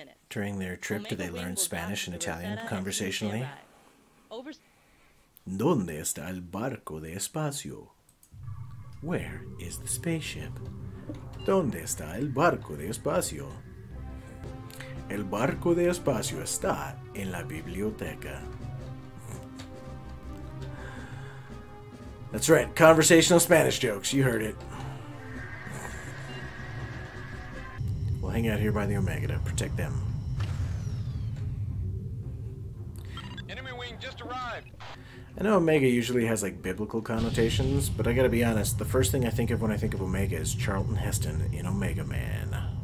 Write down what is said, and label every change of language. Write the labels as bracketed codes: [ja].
[en] During their trip, do they learn Spanish and Italian conversationally? [es] ¿Dónde está el barco de espacio? [en] Where is the spaceship? [es] ¿Dónde está el barco de espacio? El barco de espacio está en la biblioteca. [en] That's right, conversational Spanish jokes, you heard it. We'll hang out here by the Omega to protect them. Enemy wing just arrived! I know Omega usually has, like, biblical connotations, but I gotta be honest, the first thing I think of when I think of Omega is Charlton Heston in Omega Man.